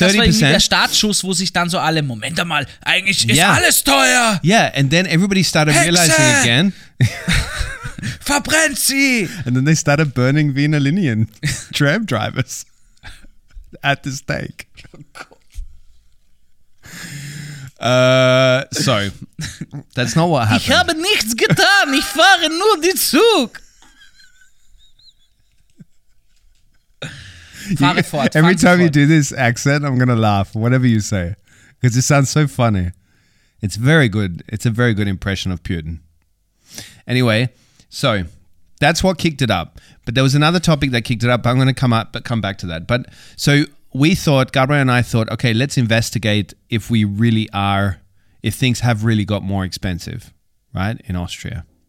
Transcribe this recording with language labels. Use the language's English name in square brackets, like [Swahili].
[German] Das war irgendwie der Startschuss, wo sich dann so alle, Moment mal, eigentlich ist alles teuer. [English] Yeah, and then everybody started realizing again. [German] Verbrennt sie! [English] And then they started burning Wiener Linien tram drivers at the stake. That's not what happened. [German] Ich habe nichts getan, ich fahre nur den Zug. [English] Every time you do this accent, I'm going to laugh, whatever you say. Because it sounds so funny. It's very good. It's a very good impression of Putin. Anyway, so that's what kicked it up. But there was another topic that kicked it up. I'm going to come back to that. But so we thought, Gabriel and I thought, okay, let's investigate if things have really got more expensive, right, in Austria.